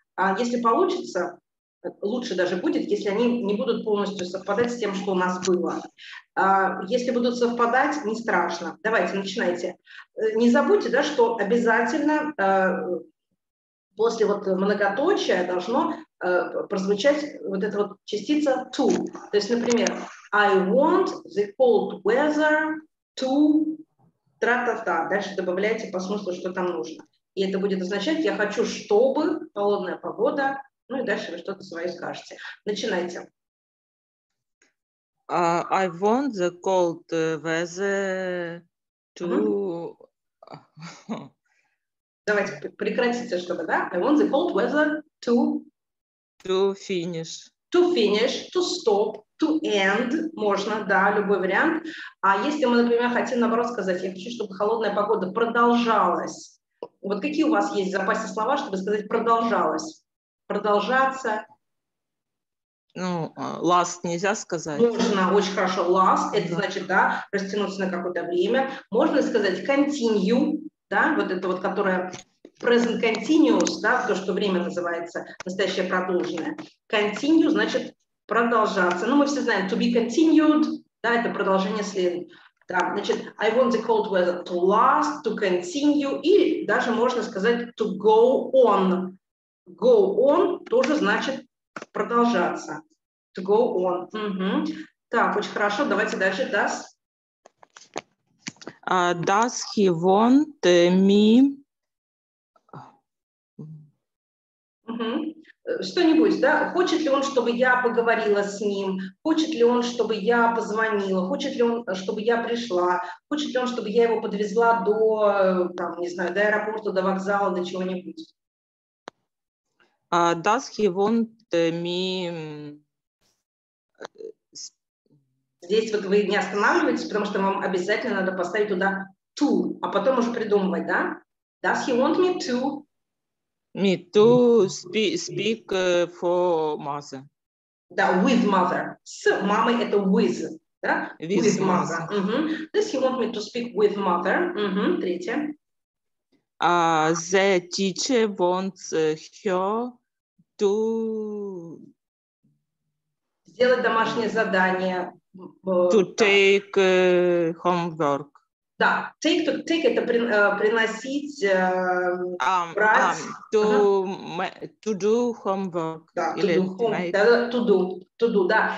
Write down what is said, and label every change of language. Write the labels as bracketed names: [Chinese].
[Russian] А если получится, лучше даже будет, если они не будут полностью совпадать с тем, что у нас было. Если будут совпадать, не страшно. Давайте, начинайте. Не забудьте, да, что обязательно после вот многоточия должно прозвучать вот эта вот частица to. То есть, например, [English] I want the cold weather to тра-та-та. [Russian] Дальше добавляйте по смыслу, что там нужно. И это будет означать, я хочу, чтобы холодная погода, ну и дальше вы что-то свое скажете. Начинайте. [English] I want the cold weather to... [Russian] Давайте прекратите, чтобы, да? [English] I want the cold weather to... To finish. To finish, to stop, to end. [Russian] Можно, да, любой вариант. А если мы, например, хотим наоборот сказать, я хочу, чтобы холодная погода продолжалась. Вот какие у вас есть в запасе слова, чтобы сказать продолжалось? Продолжаться... Ну, last нельзя сказать. Можно, очень хорошо. Last, это значит, да, растянуться на какое-то время. Можно сказать continue, да, вот это вот, которое present continuous, да, то, что время называется, настоящее продолженное. Continue значит продолжаться. Ну, мы все знаем, [English] to be continued, [Russian] да, это продолжение следует. Да, значит, [English] I want the cold weather to last, to continue, [Russian] или даже можно сказать [English] to go on. [Russian] Go on тоже значит продолжаться. [English] To go on. [Russian] Угу. Так, очень хорошо. Давайте дальше. Does. [English] Does he want me? [Russian] Угу. Что-нибудь, да? Хочет ли он, чтобы я поговорила с ним? Хочет ли он, чтобы я позвонила? Хочет ли он, чтобы я пришла? Хочет ли он, чтобы я его подвезла до, там, не знаю, до аэропорта, до вокзала, до чего-нибудь? [English] Does he want me... [Russian] Здесь вот вы не останавливаетесь, потому что вам обязательно надо поставить туда to, а потом уже придумывать, да? [English] Does he want me to? Me to speak for mother. Да, with mother. [Russian] С мамой это with, да? [English] With mother. Uh-huh. Does he want me to speak with mother? [Russian] Uh-huh. Третье. [English] The teacher wants her to... [Russian] Сделать домашнее задание. [English] To take homework. [Russian] Да, take это приносить, брать. [English] To do homework. [Russian] Да, to do. Да.